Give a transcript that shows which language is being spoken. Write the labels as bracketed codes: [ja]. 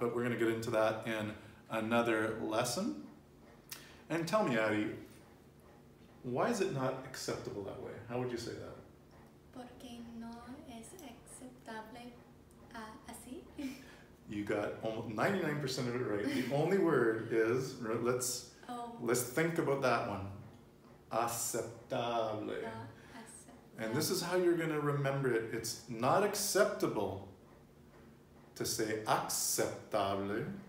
[en] But we're going to get into that in another lesson. And tell me, Addy, why is it not acceptable that way? How would you say that? [es] Porque no es aceptable así. [en] You got almost 99% of it right. The only word is, let's think about that one. Aceptable. And this is how you're going to remember it. It's not acceptable to say aceptable.